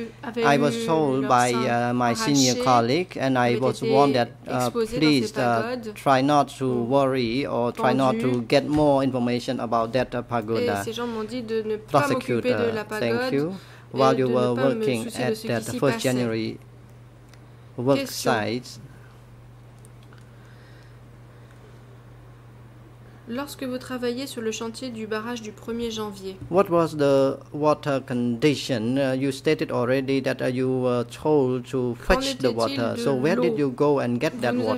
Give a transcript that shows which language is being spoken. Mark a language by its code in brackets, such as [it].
[en] I was told by my senior colleague, and I was warned that please try not to worry or try not to get more information about that pagoda. Prosecutor, thank you. While you were working at that first January work site, [fr] lorsque vous travaillez sur le chantier du barrage du 1er janvier. [en] What was the water condition? You stated already that you were told to fetch the water. So where did you go and get that water?